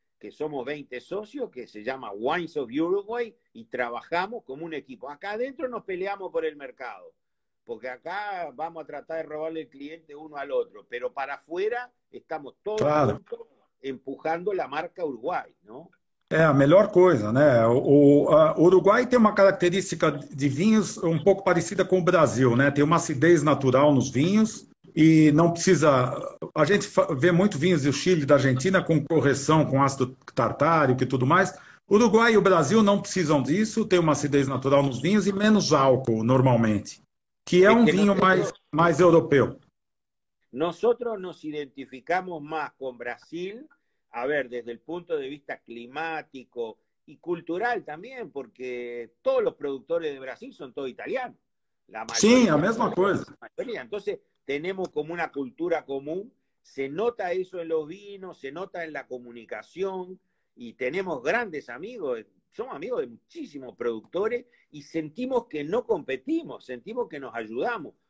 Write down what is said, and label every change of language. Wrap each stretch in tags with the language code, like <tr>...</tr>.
<es>que somos 20 socios, que se llama Wines of Uruguay, y trabajamos como un equipo. Acá adentro nos peleamos por el mercado, porque acá vamos a tratar de robarle el cliente uno al otro, pero para afuera estamos todos claro. juntos empujando la marca Uruguay, ¿no?</es> <pt>É a melhor coisa, né? O Uruguai tem uma característica de vinhos um pouco parecida com o Brasil, né? Tem uma acidez natural nos vinhos e não precisa... A gente vê muito vinhos do Chile e da Argentina com correção, com ácido tartárico e tudo mais. O Uruguai e o Brasil não precisam disso, tem uma acidez natural nos vinhos e menos álcool, normalmente, que é um vinho mais europeu.</pt> <es>Nosotros nos identificamos más con Brasil. A ver, desde el punto de vista climático y cultural también, porque todos los productores de Brasil son todos italianos. La mayoría, sí, la misma cosa. Mayoría. Entonces, tenemos como una cultura común, se nota eso en los vinos, se nota en la comunicación, y tenemos grandes amigos, somos amigos de muchísimos productores, y sentimos que no competimos, sentimos que nos ayudamos.</es>